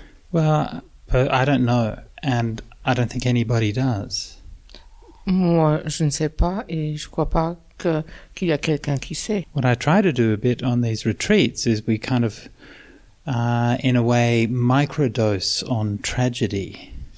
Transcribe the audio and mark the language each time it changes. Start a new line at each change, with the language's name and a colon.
English: Well, I don't know, and I don't think anybody does.
French: Moi, je ne sais pas, et je crois pas qu'il y a quelqu'un qui sait.
English: What I try to do a bit on these retreats is we kind of, in a way, microdose on tragedy.